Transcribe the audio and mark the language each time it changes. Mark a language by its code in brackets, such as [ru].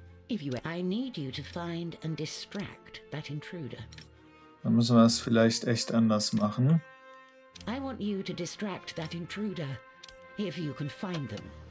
[en] I need you to find and distract that intruder. [de] Dann müssen wir es vielleicht echt anders machen. [en] I want you to distract that intruder, if you can find them.